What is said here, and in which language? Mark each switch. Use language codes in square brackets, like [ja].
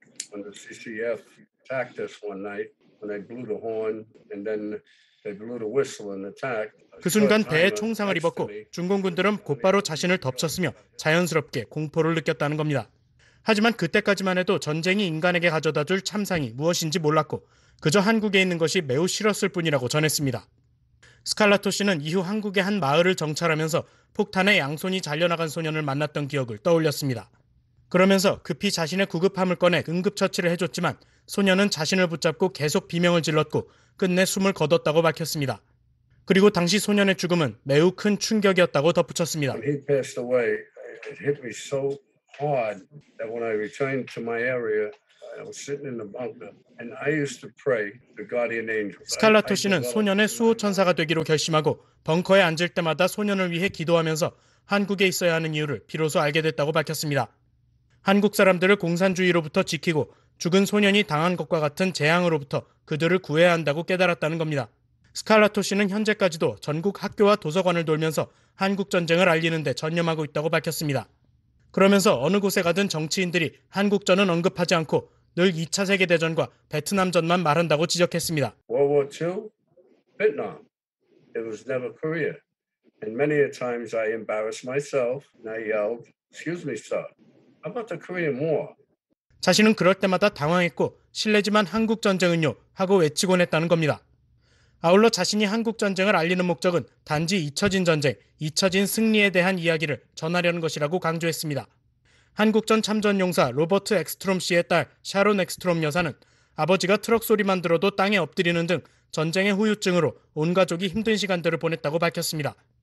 [en] On the CCF tactics one night when they blew the horn and then they blew the whistle and attacked. [ko] 그 순간 배에 총상을 입었고 중공군들은 곧바로 자신을 덮쳤으며 자연스럽게 공포를 느꼈다는 겁니다. 하지만 그때까지만 해도 전쟁이 인간에게 가져다 줄 참상이 무엇인지 몰랐고 그저 한국에 있는 것이 매우 싫었을 뿐이라고 전했습니다. 스칼라토 씨는 이후 한국의 한 마을을 정찰하면서 폭탄에 양손이 잘려나간 소년을 만났던 기억을 떠올렸습니다. 그러면서 급히 자신의 구급함을 꺼내 응급처치를 해줬지만 소년은 자신을 붙잡고 계속 비명을 질렀고 끝내 숨을 거뒀다고 밝혔습니다. 그리고 당시 소년의 죽음은 매우 큰 충격이었다고 덧붙였습니다. [en] When he passed away, it hit me so hard that when I returned to my area, I was sitting in the bunker and I used to pray the guardian angel. [ko] 스칼라토 씨는 소년의 수호 천사가 되기로 결심하고 벙커에 앉을 때마다 소년을 위해 기도하면서 한국에 있어야 하는 이유를 비로소 알게 됐다고 밝혔습니다. 한국 사람들을 공산주의로부터 지키고 죽은 소년이 당한 것과 같은 재앙으로부터 그들을 구해야 한다고 깨달았다는 겁니다. 스칼라토 씨는 현재까지도 전국 학교와 도서관을 돌면서 한국 전쟁을 알리는 데 전념하고 있다고 밝혔습니다. 그러면서 어느 곳에 가든 정치인들이 한국전은 언급하지 않고 늘 2차 세계대전과 베트남전만 말한다고 지적했습니다. [en] World War II, Vietnam. It was never Korea. And many a times I embarrassed myself and I yelled, excuse me, sir. How about the Korean War? [ko] 자신은 그럴 때마다 당황했고 실례지만 한국전쟁은요 하고 외치곤 했다는 겁니다. 아울러 자신이 한국전쟁을 알리는 목적은 단지 잊혀진 전쟁, 잊혀진 승리에 대한 이야기를 전하려는 것이라고 강조했습니다. 한국전 참전용사 로버트 엑스트롬 씨의 딸 샤론 엑스트롬 여사는 아버지가 트럭 소리만 들어도 땅에 엎드리는 등 전쟁의 후유증으로 온 가족이 힘든 시간들을 보냈다고 밝혔습니다.